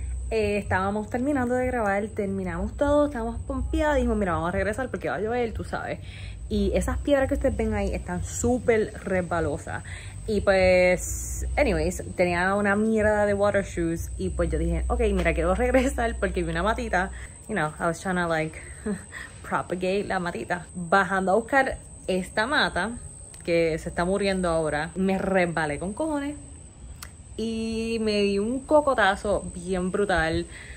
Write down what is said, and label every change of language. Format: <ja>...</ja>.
<es>Estábamos terminando de grabar, terminamos todo, estábamos pompeados. Dijimos, mira, vamos a regresar porque va a llover, tú sabes. Y esas piedras que ustedes ven ahí están súper resbalosas. Y pues, anyways, tenía una mierda de</es> <en>water shoes.</en> <es>Y pues yo dije, ok, mira, quiero regresar porque vi una matita.</es> <en>You know, I was trying to like propagate</en> <es>la matita. Bajando a buscar esta mata que se está muriendo ahora, me resbalé con cojones y me di un cocotazo bien brutal.</es>